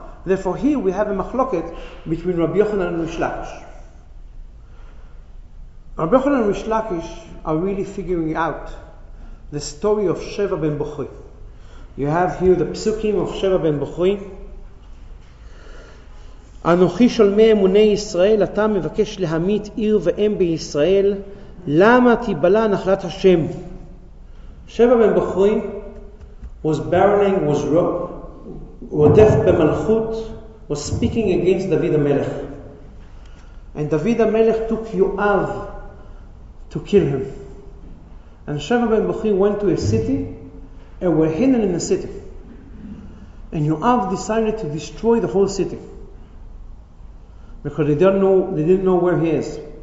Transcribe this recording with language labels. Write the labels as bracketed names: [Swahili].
[English] Therefore, here we have a machloket between Rabbi Yochanan and Rish Lakish. Rabbi Yochanan and Rish Lakish are really figuring out the story of Sheva ben Bukhri. You have here the psukim of Sheva ben Bukhri. [Hebrew] אנוכי שולמי אמוני ישראל, אתה מבקש להמית עיר ואם בישראל, למה תיבלה נחלת השם? [English] שבע בן בחרי was barreling, was [Hebrew] רודף במלכות, [English] was speaking against דוד המלך. And דוד המלך took יואב to kill him. And שבע בן בחרי went to a city and were hidden in the city. And יואב decided to destroy the whole city. Because they didn't know where he is.